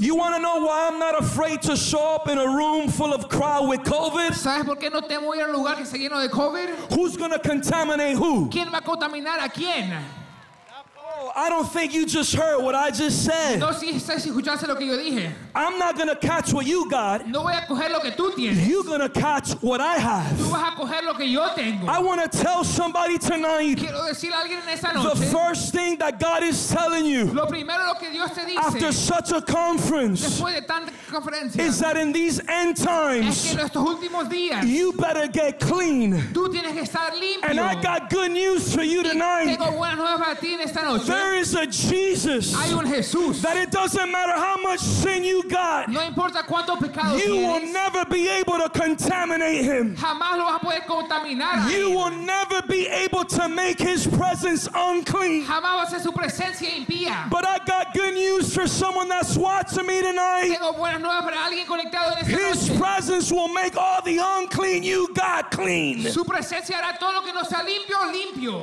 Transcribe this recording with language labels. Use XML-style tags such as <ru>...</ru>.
<en>You want to know why I'm not afraid to show up in a room full of crowd with COVID?</en> <es>¿Sabes por qué no temo ir a un lugar que esté lleno de COVID?</es> <en>Who's gonna contaminate?</en> <es>¿Quién va a contaminar a quién?</es> <en>I don't think you just heard what I just said.</en> <es>No, si estás escuchando lo que yo dije.</es> <en>I'm not gonna catch what you got.</en> <es>No voy a coger lo que tú tienes.</es> <en>You're gonna catch what I have.</en> <es>Tú vas a coger lo que yo tengo.</es> <en>I want to tell somebody tonight.</en> <es>Quiero decirle a alguien en esta noche.</es> <en>The first thing that God is telling you.</en> <es>Lo primero lo que Dios te dice.</es> <en>After such a conference.</en> <es>Después de tanta conferencia.</es> <en>Is that in these end times?</en> <es>Es que en estos últimos días.</es> <en>You better get clean.</en> <es>Tú tienes que estar limpio.</es> <en>And I got good news for you tonight.</en> <es>Tengo buenas nuevas para ti en esta noche.</es> <en>There is a Jesus.</en> <es>Hay un Jesús.</es> <en>That it doesn't matter how much sin you got.</en> <es>No importa cuántos pecados tienes.</es> <en>You will never be able to contaminate him.</en> <es>Jamás lo vas a poder contaminar.</es> <en>You will never be able to make his presence unclean.</en> <es>Jamás vas a hacer su presencia impía.</es> <en>But I got good news for someone that's watching me tonight.</en> <es>Tengo buenas nuevas para alguien conectado en esta noche.</es> <en>His presence will make all the unclean you got clean.</en> <es>Su presencia hará todo lo que no sea limpio limpio.</es>